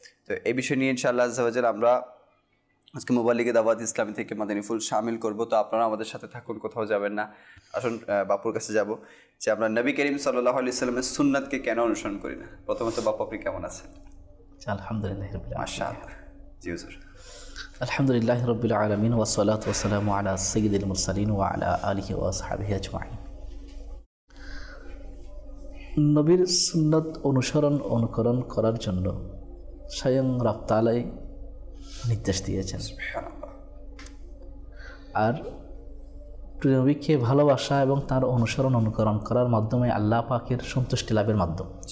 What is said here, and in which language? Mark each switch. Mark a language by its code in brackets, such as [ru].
[bn] তো এই বিষয় নিয়ে ইনশাআল্লাহ আজ্জাওয়াজাল আমরা আজকে মোবাইলিকে দাওয়াত ইসলামী থেকে মাদানী ফুল সামিল করব। তো আপনারা আমাদের সাথে থাকুন, কোথাও যাবেন না, আসুন বাপুর কাছে যাব যে আমরা নবী করিম সাল্লাল্লাহু আলাইহি ওয়াসাল্লামের সুন্নাতকে কেন অনুসরণ করি না। প্রথমত বাপু আপনি কেমন আছেন? [ar] আলহামদুলিল্লাহ রাব্বিল আলামিন। الحمد لله رب العالمين والصلاة والسلام على سيد المرسلين وعلى آله وصحبه أجمعين نبير سنت [bn] অনুসরণ অনুকরণ করার জন্য স্বয়ং রব তাআলাই নির্দেশ দিয়েছেন। আর প্রিয় নবীকে ভালোবাসা এবং তার অনুসরণ অনুকরণ করার মাধ্যমে আল্লাহ পাকের সন্তুষ্টি লাভের মাধ্যম।